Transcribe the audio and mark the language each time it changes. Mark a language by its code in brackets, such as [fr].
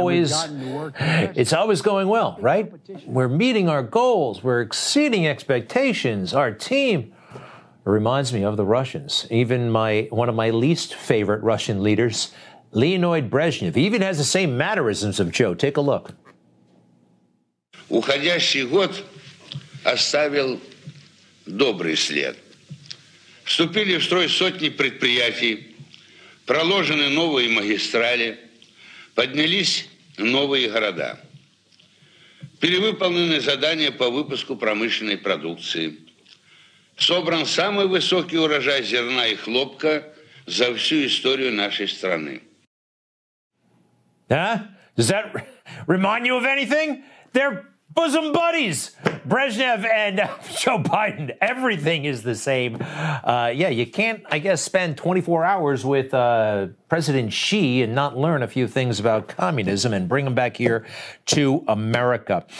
[en] It's always going well, right? We're meeting our goals. We're exceeding expectations. Our team... It reminds me of the Russians. Even one of my least favorite Russian leaders, Leonid Brezhnev, even has the same mannerisms of Joe. Take a look. [ru] Уходящий год оставил добрый след. Вступили в строй сотни предприятий, проложены новые магистрали, поднялись новые города. Перевыполнены задания по выпуску промышленной продукции. Собран самый высокий урожай зерна и хлопка за всю историю нашей страны. Huh? [en] Does that remind you of anything? They're bosom buddies. Brezhnev and Joe Biden. Everything is the same. You can't, I guess, spend 24 hours with President Xi and not learn a few things about communism and bring them back here to America.